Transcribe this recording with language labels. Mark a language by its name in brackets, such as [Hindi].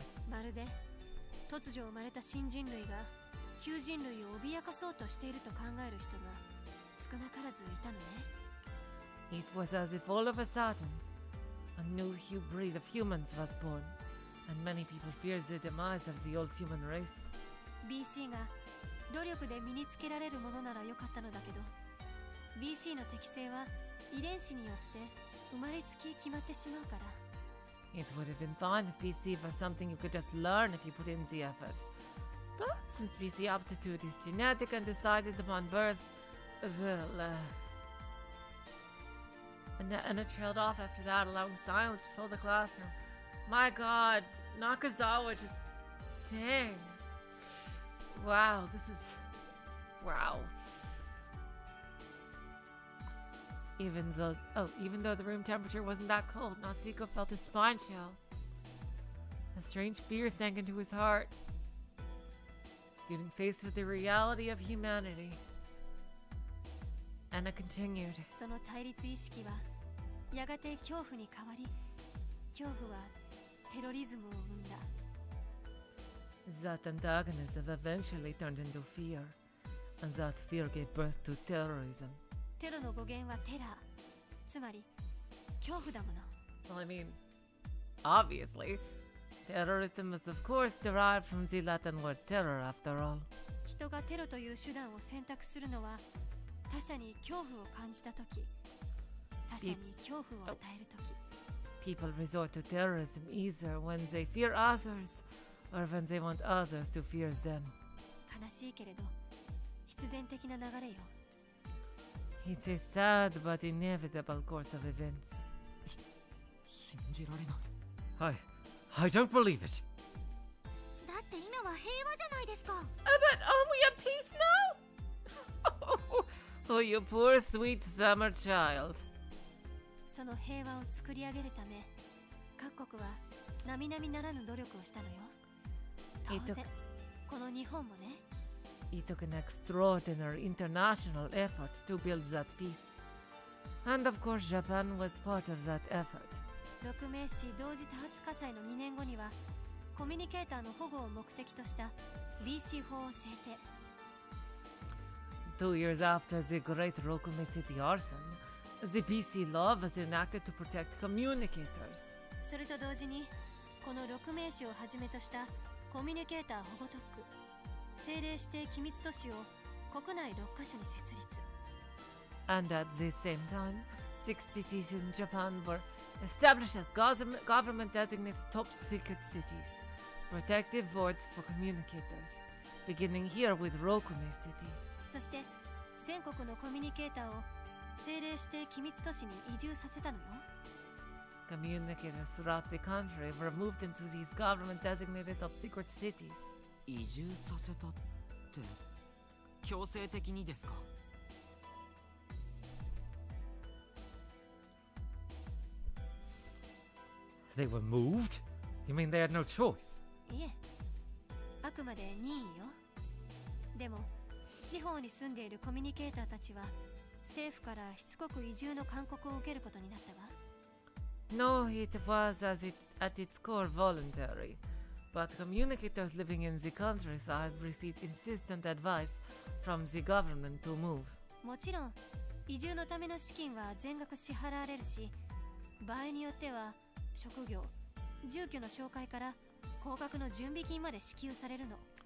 [Japanese] まるで、突如生まれた新人類が、旧人類を脅かそうとしていると考える人が少なからずいたのね。 [English] It was as if all of a sudden, a new breed of humans was born. And many people fear the demise of the old human race. [Japanese] BC が努力で身につけられるものならよかったのだけど、BC の適性は遺伝子によって生まれつき決まってしまうから。 [English] It would have been fine if BC was something you could just learn if you put in the effort. But since BC aptitude is genetic and decided upon birth, well, Anna trailed off after that, allowing silence to fill the classroom. My god, Nakazawa just... Dang. Wow, this is... Wow. Even though the room temperature wasn't that cold, Natsuhiko felt a spine chill. A strange fear sank into his heart. Getting faced with the reality of humanity. Anna continued. [Japanese] その対立意識はやがて恐怖に変わり、恐怖はテロリズムを生んだ。 [English] That antagonism eventually turned into fear, and that fear gave birth to terrorism. [Japanese] テロの語源はテラー、つまり恐怖だもの。 [English] Well, I mean, obviously, terrorism is of course derived from the Latin word terror, after all. [Japanese] 人がテロという手段を選択するのは、他者に恐怖を感じたとき、他者に恐怖を与えるとき。 [English] People resort to terrorism either when they fear others, or when they want others to fear them. [Japanese] 悲しいけれど、必然的な流れよ。 [English] It's a sad but inevitable course of events. [Japanese] 信じられない。 [English] I don't believe it. [Japanese] だって今は平和じゃないですか。 [English] But aren't we at peace now? Oh, you poor sweet summer child. [Japanese] その平和を作り上げるため、各国は並々ならぬ努力をしたのよ。当然、この日本もね。 [English] It took an extraordinary international effort to build that peace. And of course, Japan was part of that effort. [Japanese] 六名市同時多発火災の2年後には、コミュニケーターの保護を目的とした BC 法を制定。 [English] 2 years after the great Rokume City arson, the BC law was enacted to protect communicators. [Japanese] それと同時に、この六名市をはじめとしたコミュニケーター保護特区、政令指定機密都市を国内6カ所に設立。 [English] And at the same time, 6 cities in Japan were established as government-designated top-secret cities, protective wards for communicators, beginning here with Rokume City. [Japanese] そして、全国のコミュニケーターを政令指定機密都市に移住させたのよ。 [English] Communicators throughout the country were moved into these government-designated top-secret cities. [Japanese] 移住させたって、強制的にですか？ [English] They were moved? You mean they had no choice? [Japanese] いえ、あくまで任意よ。でも、地方に住んでいるコミュニケーターたちは、政府からしつこく移住の勧告を受けることになったわ。 [English] No, it was at its core voluntary. But communicators living in the countryside received insistent advice from the government to move. [Japanese] もちろん、移住のための資金は全額支払われるし、場合によっては職業、住居の紹介から高額の準備金まで支給されるの。